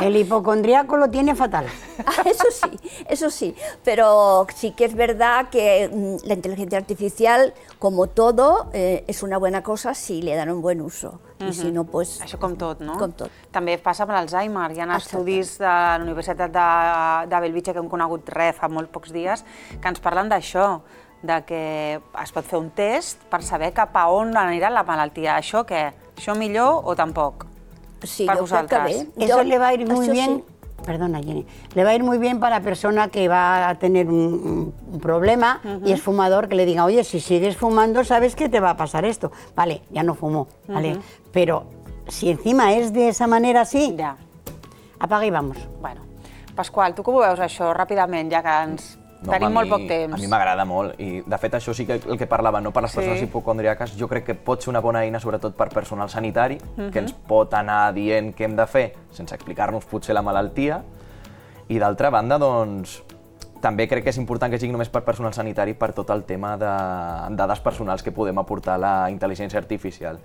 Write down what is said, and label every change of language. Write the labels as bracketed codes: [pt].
[es] El hipocondriaco lo tiene fatal. Eso sí, pero sí que es verdad que la inteligencia artificial, como todo, es una buena cosa si le dan un buen uso. Y si no, pues... [ca] Això com tot, no? Com tot. També passa amb l'Alzheimer. Hi ha estudis de la Universitat de Bellvitge que hem conegut res fa molt pocs dies, que ens parlen d'això, de que es pot fer un test per saber cap a on anirà la malaltia. Això què? Això millor o tampoc? Sí, per vosaltres. [es] Eso le va a ir muy bien, perdona, Jenny, le va a ir muy bien para la persona que va a tener un problema y es fumador, que le diga, oye, si sigues fumando, ¿sabes que te va a pasar esto? Vale, ya no fumó, ¿vale? Pero si encima es de esa manera así, ya. Apaga y vamos. [ca] Bueno, Pasqual, [es] ¿tú cómo [ca] veus això ràpidament, ja que ens... No, tenim molt poc temps. A mi m'agrada molt, i de fet això sí que el que parlava, no? Per les persones hipocondriaques, jo crec que pot ser una bona eina, sobretot per personal sanitari, que ens pot anar dient què hem de fer, sense explicar-nos potser la malaltia, i d'altra banda, doncs, també crec que és important que sigui només per personal sanitari per tot el tema de dades personals que podem aportar a la intel·ligència artificial.